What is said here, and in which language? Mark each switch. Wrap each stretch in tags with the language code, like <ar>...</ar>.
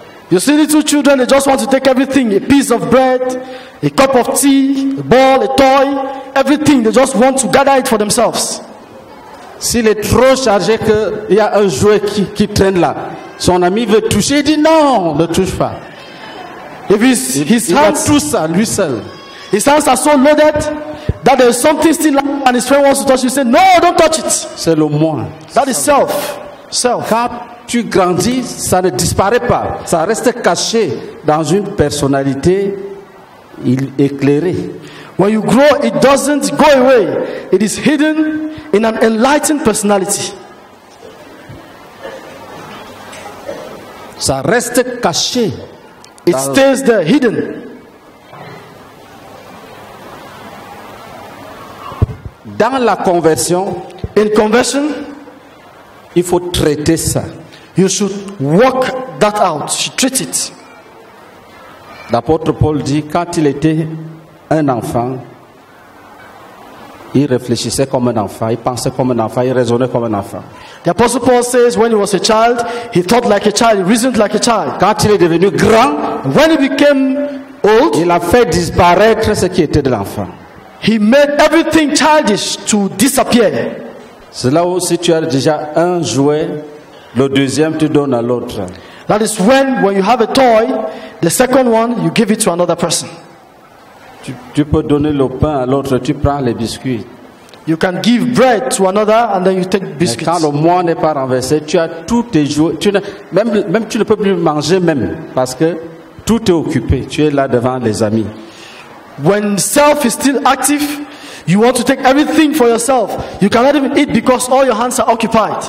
<en>You see little children, they just want to take everything, a piece of bread, a cup of tea, a ball, a toy, everything, they just want to gather it for themselves.</en> <fr>S'il est trop chargé qu'il y a un jouet qui traîne là, son ami veut toucher, il dit non, ne touche pas.</fr> <en>If his hands,</en> <fr>il a tout ça, lui seul.</fr> <en>His hands are so loaded that there is something still left and his friend wants to touch it. He says, no, don't touch it.</en> <fr>C'est le moi.</fr> <en>That is self. Self.</en> <fr>Quand tu grandis, ça ne disparaît pas. Ça reste caché dans une personnalité éclairée.</fr> <en>When you grow, it doesn't go away. It is hidden in an enlightened personality.</en> <fr>Ça reste caché.</fr> <en>It stays there, hidden.</en> <fr>Dans la conversion,</fr> <en>in conversion,</en> <fr>il faut traiter ça.</fr> <en>You should work that out. You should treat it.</en> <fr>L'apôtre Paul dit, quand il était un enfant, il réfléchissait comme un enfant, il pensait comme un enfant, il raisonnait comme un enfant.</fr> <en>The apostle Paul says when he was a child, he thought like a child, he reasoned like a child.</en> <fr>Quand il est devenu grand,</fr> <en>when he became old,</en> <fr>il a fait disparaître ce qui était de l'enfant.</fr> <en>He made everything childish to disappear.</en> <fr>C'est là où si tu as déjà un jouet, le deuxième tu donnes à l'autre.</fr> <en>That is when you have a toy, the second one you give it to another person.</en> <fr>Tu peux donner le pain à l'autre, tu prends les biscuits.</fr> <en>You can give bread to another and then you take biscuits.</en> <fr>Mais quand le moi n'est pas renversé, tu as tous tes jouets. Même tu ne peux plus manger même parce que tout est occupé. Tu es là devant les amis.</fr> <en>When self is still active, you want to take everything for yourself. You cannot even eat because all your hands are occupied.</en>